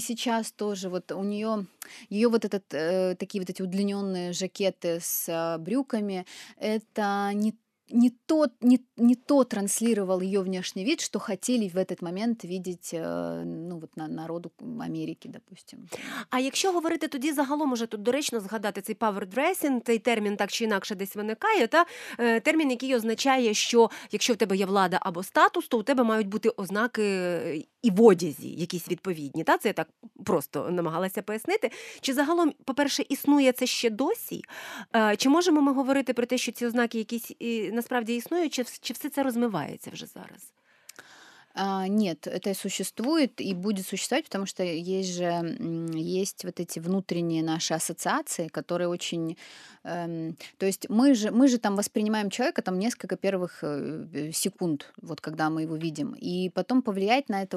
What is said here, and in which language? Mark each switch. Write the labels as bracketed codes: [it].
[ru] И сейчас тоже вот у нее ее вот этот такие вот эти удлиненные жакеты с брюками, это не то транслировал ее внешний вид, что хотели в этот момент видеть ну, вот на народу Америки, допустим. [uk] А якщо говорити тоді загалом, уже тут доречно згадати цей power dressing, цей термін так чи інакше десь виникає, та термін, який означає, що якщо в тебе є влада або статус, то у тебе мають бути ознаки і в одязі якісь відповідні. Та? Це я так просто намагалася пояснити. Чи загалом, по-перше, існує це ще досі? Чи можемо ми говорити про те, що ці ознаки якісь насправді існують, чи все це розмивається вже зараз? [ru] Нет, это существует и будет существовать, потому что есть же есть вот эти внутренние наши ассоциации, которые очень... то есть мы же там воспринимаем человека там несколько первых секунд, вот когда мы его видим, и потом повлиять на это